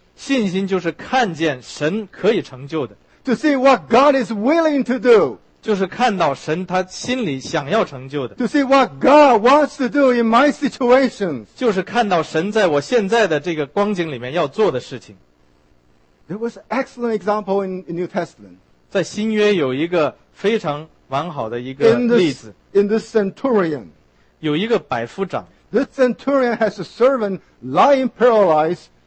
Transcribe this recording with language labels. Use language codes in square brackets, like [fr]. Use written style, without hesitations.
[zh] 信心就是看见神可以成就的。 [en] To see what God is willing to do. [zh] 就是看到神他心里想要成就的。 [en] To see what God wants to do in my situation. [zh] 就是看到神在我现在的这个光景里面要做的事情。 [en] There was an excellent example in the New Testament. [zh] 在新约有一个非常完好的一个例子。 [en] In the centurion. [zh] 有一个百夫长。 [en] The centurion has a servant lying paralyzed.